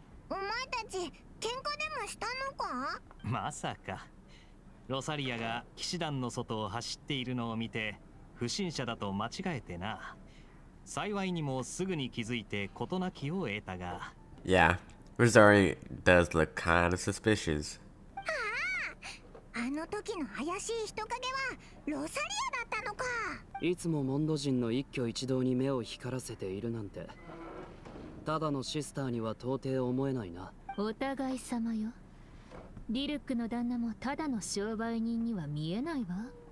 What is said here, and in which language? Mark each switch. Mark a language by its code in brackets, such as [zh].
[ja] お前たち喧嘩でもしたのか？まさか。ロサリアが騎士団の外を走っているのを見て不審者だと間違えてな。幸いにもすぐに気づいて事なきを得たが。 [en] Yeah, Rosari does look kind of suspicious. [ja] あの時の怪しい人影はロサリアだったのか。いつもモンド人の一挙一動に目を光らせているなんて、ただのシスターには到底思えないな。お互い様よ。ディルックの旦那もただの商売人には見えないわ。